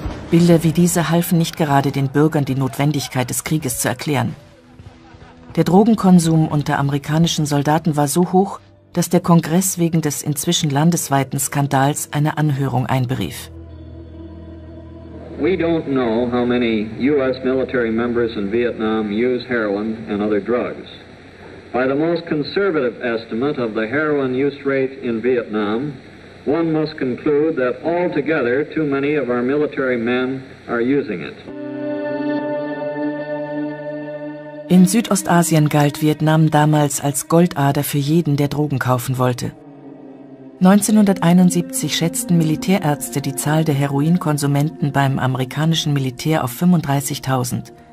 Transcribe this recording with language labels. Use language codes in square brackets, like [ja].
[de] Bilder wie diese halfen nicht gerade den Bürgern, die Notwendigkeit des Krieges zu erklären. Der Drogenkonsum unter amerikanischen Soldaten war so hoch, dass der Kongress wegen des inzwischen landesweiten Skandals eine Anhörung einberief. [en] We don't know how many U.S. military members in Vietnam use heroin and other drugs. By the most conservative estimate of the heroin use rate in Vietnam, one must conclude that altogether too many of our military men are using it. [de] In Südostasien galt Vietnam damals als Goldader für jeden, der Drogen kaufen wollte. 1971 schätzten Militärärzte die Zahl der Heroinkonsumenten beim amerikanischen Militär auf 35.000.